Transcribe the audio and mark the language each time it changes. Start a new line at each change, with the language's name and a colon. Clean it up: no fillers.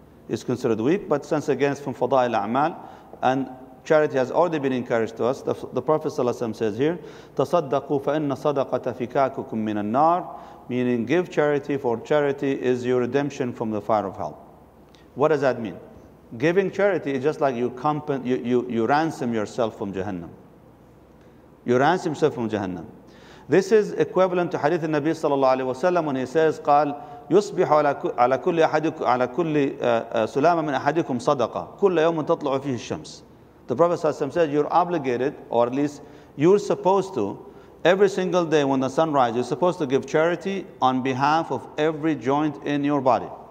English: It's considered weak, but since again it's from fada'il a'mal and charity has already been encouraged to us, the Prophet ﷺ says here,
Arabic: تَصَدَّقُوا فَإِنَّ صَدَقَةَ فِكَاكُكُمْ مِنَ النَّارِ
English: meaning give charity for charity is your redemption from the fire of hell. What does that mean? Giving charity is just like you ransom yourself from Jahannam. You ransom yourself from Jahannam. This is equivalent to hadith
Arabic: Nabi sallallahu alayhi wa sallam
English: when he says,
Arabic: قال يصبح على كل أحدكم على كل سلامة من أحدكم صدقة كل يوم تطلع فيه الشمس.
English: The Prophet sallallahu alayhi wa sallam said, you're obligated, or at least you're supposed to, every single day when the sun rises, you're supposed to give charity on behalf of every joint in your body.